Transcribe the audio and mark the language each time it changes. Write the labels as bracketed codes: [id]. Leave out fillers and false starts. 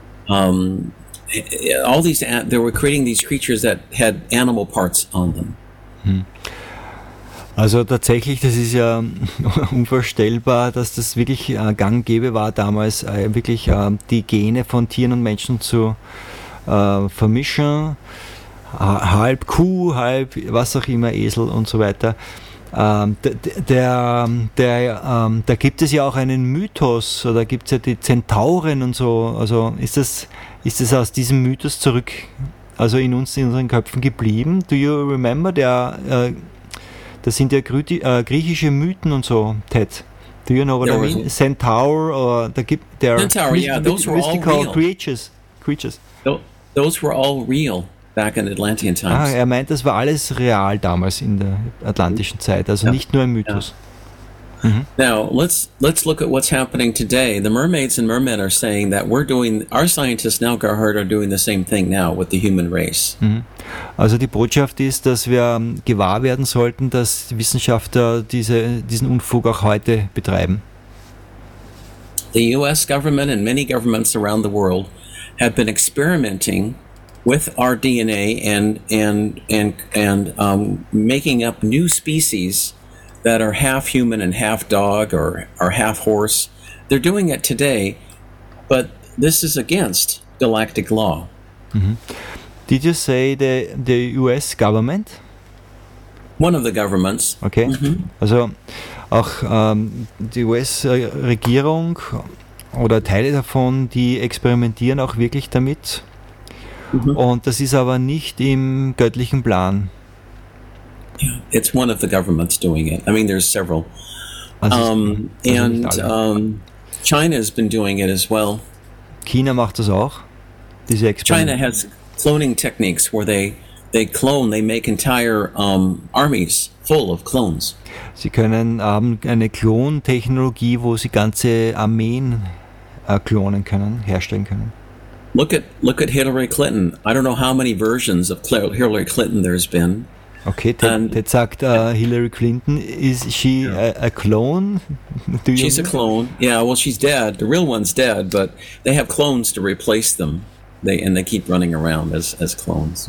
[en] All these, they were creating these creatures that had animal parts on them. [de] Also tatsächlich, das ist ja unvorstellbar, dass das wirklich gang und gäbe war damals, wirklich die Gene von Tieren und Menschen zu vermischen. Halb Kuh, halb was auch immer, Esel und so weiter. Da gibt es ja auch einen Mythos, oder gibt es ja die Zentauren und so. Also ist das aus diesem Mythos zurück, also in uns, in unseren Köpfen geblieben? [en] Do you remember? [de] Das sind ja griechische Mythen und so, Ted. [en] Do you know what I mean? Centaur, or those were all mystical creatures. Those were all real. Back in Atlantean times. [de] Ah, er meint, das war alles real damals in der atlantischen Zeit, also nicht nur ein Mythos. [en] Yeah. Mm-hmm. Now, let's look at what's happening today. The mermaids and mermen are saying that our scientists now, Gerhard, are doing the same thing now with the human race. Mm-hmm. [de] Also die Botschaft ist, dass wir gewahr werden sollten, dass Wissenschaftler diesen Unfug auch heute betreiben. [en] The US government and many governments around the world have been experimenting with our DNA and making up new species that are half human and half dog or half horse. They're doing it today, but this is against galactic law. Mm-hmm. Did you say the US government? One of the governments. Okay. Mm-hmm. [de] Also, auch die US-Regierung oder Teile davon, die experimentieren auch wirklich damit. Mm-hmm. Und das ist aber nicht im göttlichen Plan. [en] Yeah, it's one of the governments doing it. I mean, there's several. [de] Also [en] China has been doing it as well. [de] China macht das auch, diese [en] China has cloning techniques where they make entire armies full of clones. [de] Sie können eine Klontechnologie, wo sie ganze Armeen klonen können, herstellen können. [en] Look at Hillary Clinton. I don't know how many versions of Hillary Clinton there's been. [de] Okay, Ted sagt, Hillary Clinton, [en] is she a clone? She's a clone. Yeah, well, she's dead. The real one's dead, but they have clones to replace them. They keep running around as clones.